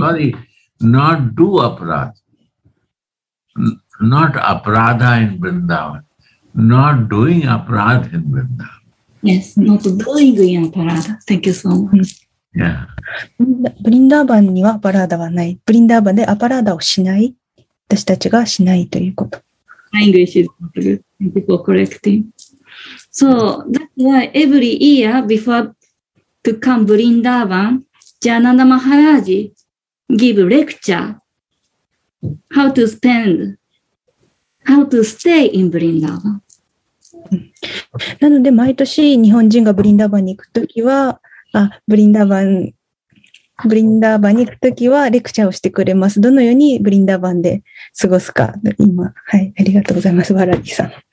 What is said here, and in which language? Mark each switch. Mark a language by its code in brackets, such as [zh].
[en] Sorry, not do aparada. Not aparadha in Vrindavan. Not doing aparadha in Vrindavan. Yes, not doing in aparadha. Thank you so much. Yeah. [ja] Vrindavan にはaparadhaはない。Vrindavanでaparadhaをしない。私たちがしないということ。 [en] My English is not good. Thank you for correcting. So, that's why every year before to come Vrindavan, Jayananda Maharaj give lecture how to spendHow to stay in Vrindavan. [ja] なので毎年日本人がブリンダーバンに行くときは、ブリンダーバンに行くときはレクチャーをしてくれます。どのようにブリンダーバンで過ごすか。今、はい、ありがとうございます、ワラリさん。